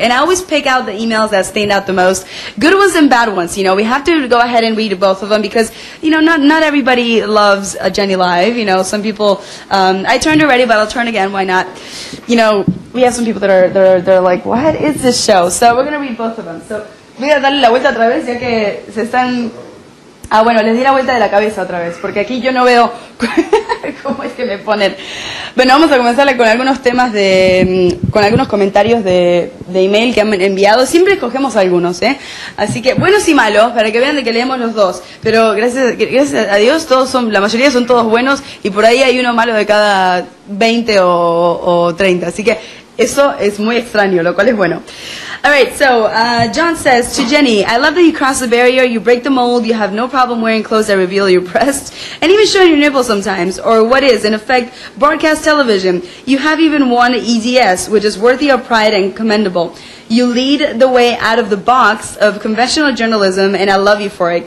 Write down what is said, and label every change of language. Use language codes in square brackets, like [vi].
[en] And I always pick out the emails that stand out the most, good ones and bad ones. You know, we have to go ahead and read both of them because, you know, not everybody loves Jenny Live. You know, some people, I turned already, but I'll turn again. Why not? You know, we have some people that are, they're like, what is this show? So we're going to read both of them. [es] So voy a darle la vuelta otra vez ya que se están... Ah, bueno, les di la vuelta de la cabeza otra vez, porque aquí yo no veo cómo es que me ponen. Bueno, vamos a comenzar con algunos temas de... con algunos comentarios de email que han enviado. Siempre escogemos algunos, ¿eh? Así que, buenos y malos, para que vean de que leemos los dos. Pero gracias a Dios, todos son, la mayoría son todos buenos, y por ahí hay uno malo de cada 20 o 30. Así que Eso es muy extraño, lo cual es bueno. [en] All right, so John says to Jenny, I love that you cross the barrier, you break the mold, you have no problem wearing clothes that reveal your breasts, and even showing your nipples sometimes, or what is, in effect, broadcast television. You have even won EDS, which is worthy of pride and commendable. You lead the way out of the box of conventional journalism, and I love you for it.